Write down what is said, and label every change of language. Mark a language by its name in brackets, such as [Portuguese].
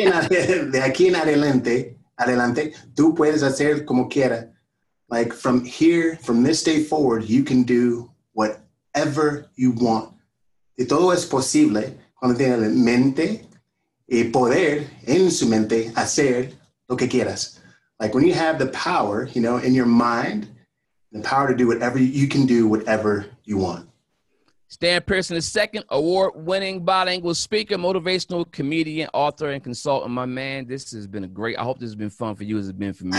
[Spanish] De aquí en adelante, tú puedes hacer como quieras. [English] Like from here, from this day forward, you can do whatever you want. [Spanish] Y todo es posible cuando tienes mente y poder en su mente hacer lo que quieras. [English] Like when you have the power, you know, in your mind, the power to do whatever you can do whatever you want. Stan Pearson, the second award-winning bilingual speaker, motivational comedian, author, and consultant. My man, this has been great. I hope this has been fun for you as it's been for me.